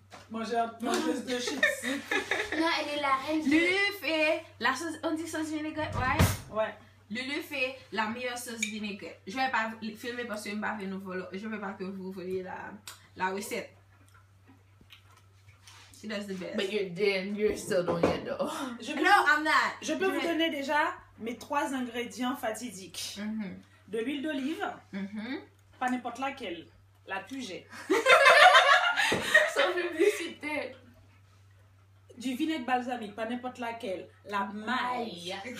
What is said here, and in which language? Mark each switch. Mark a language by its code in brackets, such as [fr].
[fr] Mangeuse de chips. Non, elle est la reine de. Lulu fait la sauce. On dit sauce vinaigre, ouais? Ouais. Lulu fait la meilleure sauce vinaigre. Je vais pas filmer parce que je ne veux pas que vous voyez la recette. [en] She does the best. But you're still doing it though. [fr] Je peux vous donner déjà mes 3 ingrédients fatidiques. Mm-hmm. De l'huile d'olive. Mm-hmm. Pas n'importe laquelle. La Puget. Sans publicité. Du vinaigre balsamique. Pas n'importe laquelle. La maille.